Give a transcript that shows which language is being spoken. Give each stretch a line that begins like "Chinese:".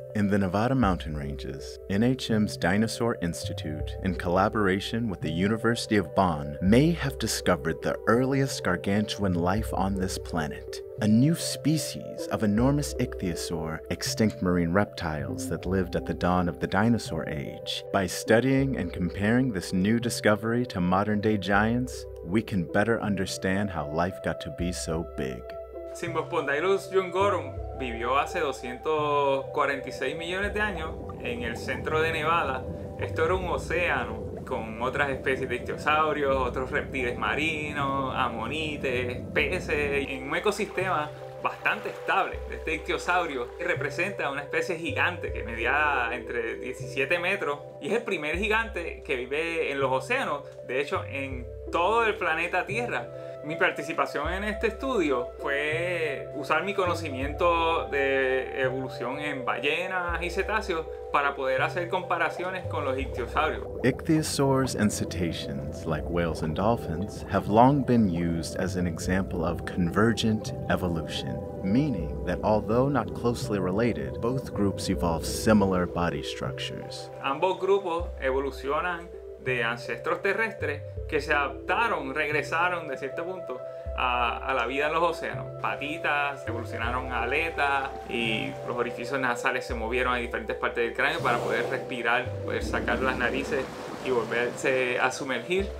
English: In the Nevada mountain ranges, NHM's Dinosaur Institute, in collaboration with the University of Bonn, may have discovered the earliest gargantuan life on this planet, a new species of enormous ichthyosaur, extinct marine reptiles that lived at the dawn of the dinosaur age. By studying and comparing this new discovery to modern-day giants, we can better understand how life got to be so big.
Spanish: Symbospondylus jungorum vivió hace 246 millones de años en el centro de Nevada. Esto era un océano con otras especies de ichthyosaurios, otros reptiles marinos, amonites, peces, en un ecosistema bastante estable. Este ichthyosaurio representa una especie gigante que medía entre 17 metros y es el primer gigante que vive en los océanos, de hecho en todo el planeta Tierra. Mi participación en este estudio fue usar mi conocimiento de evolución en ballenas y cetáceos para poder hacer comparaciones con los ichthyosaurios.
English: Ichthyosaurs and cetaceans, like whales and dolphins, have long been used as an example of convergent evolution, meaning that although not closely related, both groups evolve similar body structures.
Spanish: Ambos grupos evolucionan de ancestros terrestres que se adaptaron, regresaron de cierto punto a la vida en los océanos. Patitas, evolucionaron aletas y los orificios nasales se movieron a diferentes partes del cráneo para poder respirar, poder sacar las narices y volverse a sumergir.